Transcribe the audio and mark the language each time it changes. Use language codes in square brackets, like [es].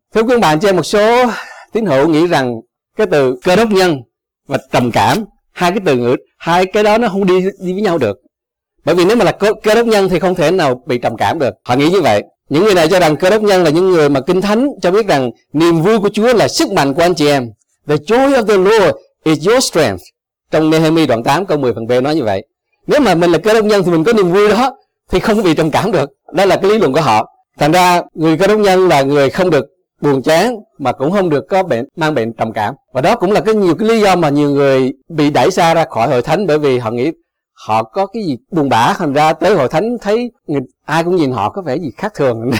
[vi] Thưa quý bạn, cho một số tín hữu nghĩ rằng cái từ cơ đốc nhân và trầm cảm, hai cái từ ngữ, hai cái đó nó không đi với nhau được. Bởi vì nếu mà là cơ đốc nhân thì không thể nào bị trầm cảm được. Họ nghĩ như vậy. Những người này cho rằng cơ đốc nhân là những người mà Kinh Thánh cho biết rằng niềm vui của Chúa là sức mạnh của anh chị em. [en] The joy of the Lord is your strength. [vi] Trong Nehemiah đoạn 8 câu 10 phần B nói như vậy. Nếu mà mình là cơ đốc nhân thì mình có niềm vui đó thì không bị trầm cảm được. Đó là cái lý luận của họ. Thành ra người cơ đốc nhân là người không được buồn chán mà cũng không được có bệnh, mang bệnh trầm cảm. Và đó cũng là cái nhiều cái lý do mà nhiều người bị đẩy xa ra khỏi hội thánh, bởi vì họ nghĩ họ có cái gì buồn bã, thành ra tới hội thánh thấy ai cũng nhìn họ có vẻ gì khác thường.